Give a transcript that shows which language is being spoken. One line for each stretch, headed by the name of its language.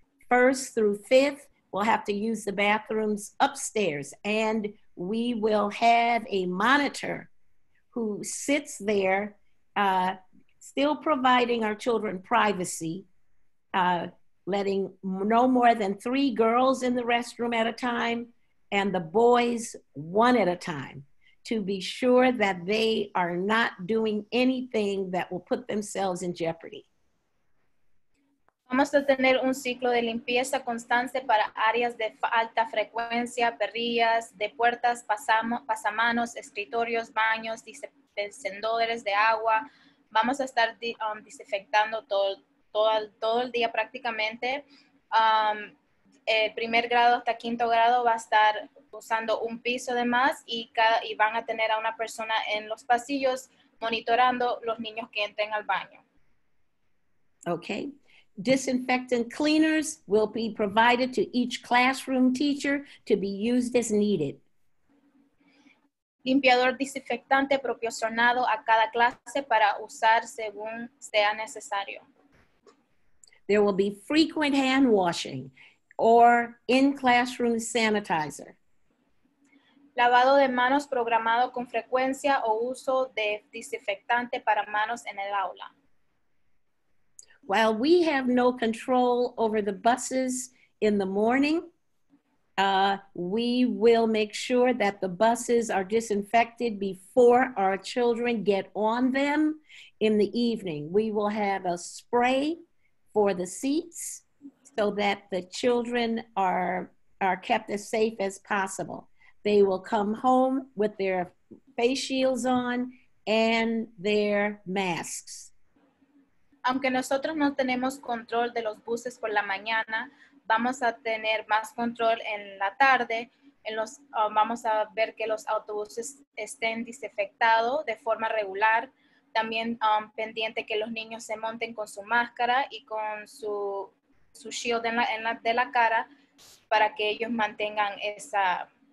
English: First through fifth, we'll have to use the bathrooms upstairs, and we will have a monitor who sits there, still providing our children privacy, letting no more than three girls in the restroom at a time, and the boys one at a time, to be sure that they are not doing anything that will put themselves in jeopardy.
Spanish: Vamos a tener un ciclo de limpieza constante para áreas de alta frecuencia, perrillas, de puertas, pasamanos, escritorios, baños, encendedores de agua. Vamos a estar desinfectando todo el día prácticamente. El primer grado hasta quinto grado va a estar usando un piso de más y van a tener a una persona en los pasillos monitorando los niños que entren al baño.
English: Okay. Disinfectant cleaners will be provided to each classroom teacher to be used as needed.
Spanish: Limpiador desinfectante proporcionado a cada clase para usar según sea necesario.
English: There will be frequent hand washing or in-classroom sanitizer.
Spanish: Lavado de manos programado con frecuencia o uso de desinfectante para manos en el aula.
English: While we have no control over the buses in the morning, we will make sure that the buses are disinfected before our children get on them in the evening. We will have a spray for the seats so that the children are kept as safe as possible. They will come home with their face shields on and their masks.
Spanish: Aunque nosotros no tenemos control de los buses por la mañana, vamos a tener más control en la tarde. Vamos a ver que los autobuses estén desinfectados de forma regular. También pendiente que los niños se monten con su máscara y con su shield de la cara para que ellos mantengan esa...